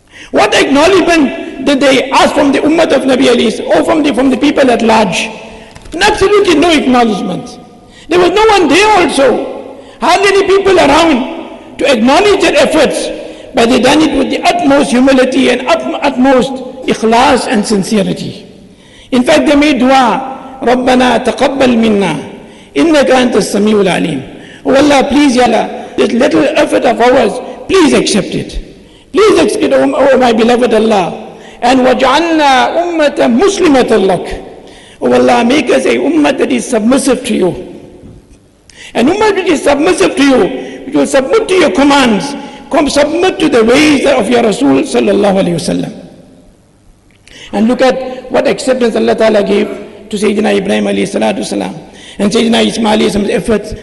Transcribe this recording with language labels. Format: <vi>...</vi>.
<en>What acknowledgement did they ask from the Ummah of Nabi Ali or from the people at large? And absolutely no acknowledgement. There was no one there also. Hardly any people around to acknowledge their efforts. But they done it with the utmost humility and utmost ikhlas and sincerity. In fact, they made dua,</en> <ar>رَبَّنَا تَقَبَّلْ مِنَّا إِنَّكَ أَنْتَ السَّمِيعُ الْعَلِيمُ.</ar> <en>Oh Allah, please, Ya Allah, this little effort of ours, please accept it. Please accept it, oh my beloved Allah.</en> <ar>And وَجْعَلْنَا أُمَّةً مُسْلِمَةً لَكَ.</ar> <en>Oh Allah, make us a ummah that is submissive to you. An ummah that is submissive to you, which will submit to your commands, submit to the ways of your Rasul sallallahu alayhi wa sallam. And look at what acceptance Allah Ta'ala gave to Sayyidina Ibrahim alayhi salatu salam and Sayyidina Ismail's efforts.</en>